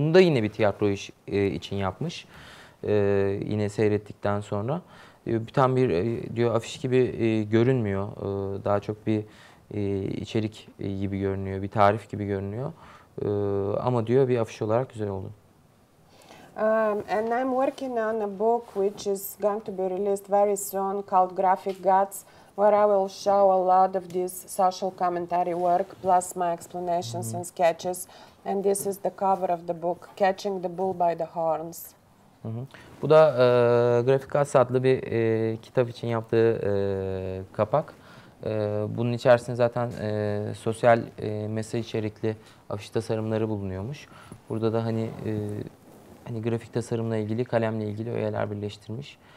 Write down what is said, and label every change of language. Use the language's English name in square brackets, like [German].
[Turkish] Bunu da yine bir tiyatro iş için yapmış. Yine seyrettikten sonra. Tam bir diyor afiş gibi görünmüyor. Daha çok bir içerik gibi görünüyor, bir tarif gibi görünüyor. Ama diyor bir afiş olarak güzel oldu. [English] And I'm working on a book which is going to be released very soon called Graphic Guts, where I will show a lot of this social commentary work plus my explanations and sketches. And this is the cover of the book, Catching the Bull by the Horns. [Turkish] Bu da Graphic Guts adlı bir kitap için yaptığı kapak. Bunun içerisinde zaten sosyal mesaj içerikli afiş tasarımları bulunuyormuş. Burada da hani hani grafik tasarımla ilgili, kalemle ilgili öğeler birleştirmiş.